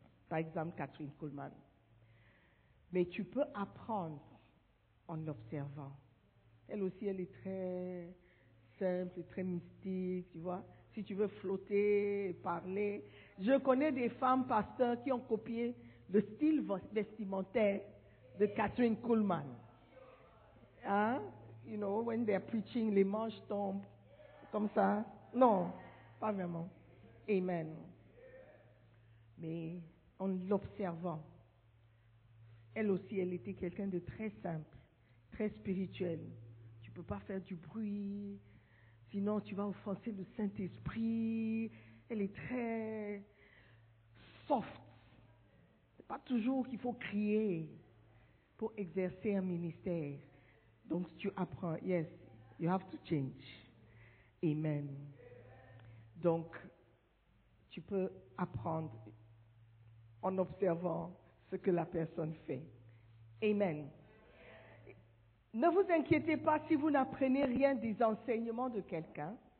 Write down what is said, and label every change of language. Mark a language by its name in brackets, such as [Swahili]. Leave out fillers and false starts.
[French] Par exemple, Catherine Kuhlman. Mais tu peux apprendre en l'observant. Elle aussi, elle est très simple, très mystique, tu vois. Si tu veux flotter, parler. Je connais des femmes pasteurs qui ont copié le style vestimentaire de Catherine Kuhlman. Hein? [English] You know, when they're preaching, [French] les manches tombent. Comme ça. Non, pas vraiment. Amen. Mais en l'observant, elle aussi, elle était quelqu'un de très simple, très spirituel. Tu ne peux pas faire du bruit, sinon tu vas offenser le Saint-Esprit. Elle est très soft. Ce n'est pas toujours qu'il faut crier pour exercer un ministère. Donc tu apprends, [English] yes, you have to change. [French] Amen. Donc, tu peux apprendre en observant ce que la personne fait. Amen. Ne vous inquiétez pas si vous n'apprenez rien des enseignements de quelqu'un.